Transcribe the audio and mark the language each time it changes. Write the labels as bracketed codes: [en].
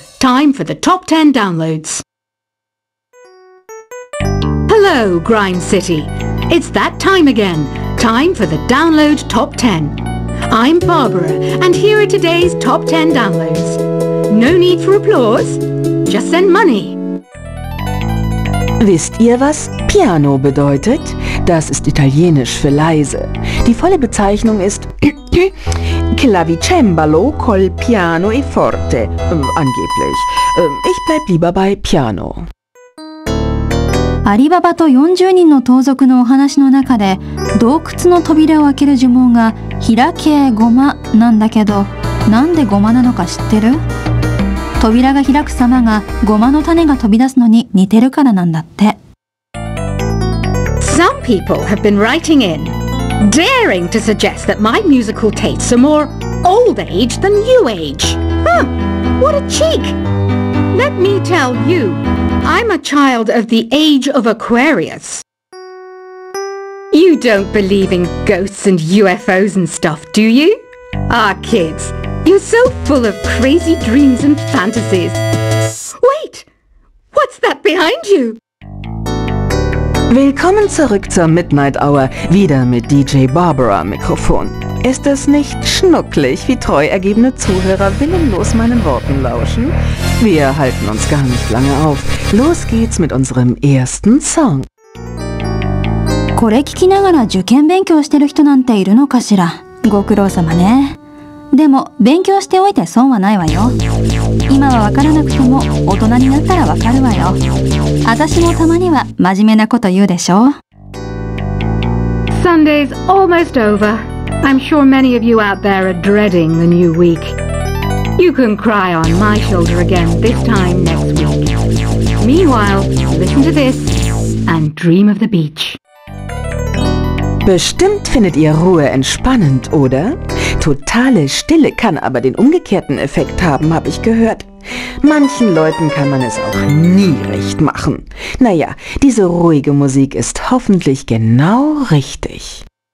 [en] Time for the Top 10 Downloads. Hello, Grime City. It's that time again. Time for the Download Top 10. I'm Barbara, and here are today's Top 10 Downloads. No need for applause. Just send money. [de] Wisst ihr, was Piano bedeutet? Das ist Italienisch für leise. Die volle Bezeichnung ist Clavicembalo col piano e forte. Angeblich. Ich bleib lieber bei Piano. [ja] アリババと40人の盗賊のお話の中で、洞窟の扉を開ける呪文が開けゴマなんだけど、なんでゴマなのか知ってる？扉が開く様がゴマの種が飛び出すのに似てるからなんだって。 [en] Some people have been writing in, daring to suggest that my musical tastes are more old age than new age. What a cheek! Let me tell you. I'm a child of the age of Aquarius. You don't believe in ghosts and UFOs and stuff, do you? Ah, kids, you're so full of crazy dreams and fantasies. Wait, what's that behind you? [de] Willkommen zurück zur Midnight Hour, wieder mit DJ Barbara am Mikrofon. Ist es nicht schnucklig, wie treu ergebene Zuhörer willenlos meinen Worten lauschen? Wir halten uns gar nicht lange auf. Los geht's mit unserem ersten Song. [ja] これ聞きながら受験勉強してる人なんているのかしら。ご苦労様ね。でも勉強しておいて損はないわよ。今はわからなくても大人になったらわかるわよ。私もたまには真面目なこと言うでしょ。 [en] Sunday's almost over. I'm sure many of you out there are dreading the new week. You can cry on my shoulder again this time next week. Meanwhile, listen to this and dream of the beach. [de] Bestimmt findet ihr Ruhe entspannend, oder? Totale Stille kann aber den umgekehrten Effekt haben, habe ich gehört. Manchen Leuten kann man es auch nie recht machen. Naja, diese ruhige Musik ist hoffentlich genau richtig.